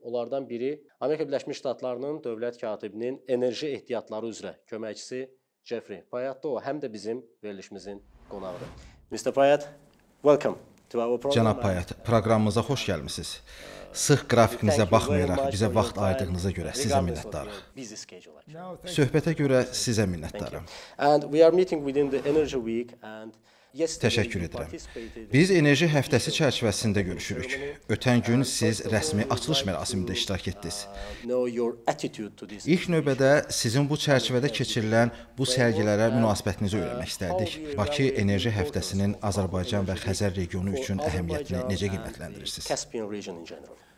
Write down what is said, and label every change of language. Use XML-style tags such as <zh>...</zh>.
<az>Onlardan biri Amerika Birləşmiş Ştatlarının dövlət katibinin enerji ehtiyatları üzrə köməkçisi Jeffrey Payette, həm də bizim verilişimizin qonağıdır.</az> <en>Mr. Payette, welcome to our program.</en> <az>Cənab Payette, proqramımıza xoş gəlmisiniz. Sıx qrafikinizə baxmayaraq, bizə vaxt ayırdığınıza görə sizə minnətdarıq. Söhbətə görə sizə minnətdarım.</az> <en>And we are meeting within the Energy Week and</en> <az>Təşəkkür edirəm. Biz enerji həftəsi çərçivəsində görüşürük. Ötən gün siz rəsmi açılış mərasimində iştirak etdiniz. İlk növbədə sizin bu çərçivədə keçirilən bu sərgilərə münasibətinizi öyrənmək istərdik. Bakı enerji həftəsinin Azərbaycan və Xəzər regionu üçün əhəmiyyətini necə qiymətləndirirsiniz?</az>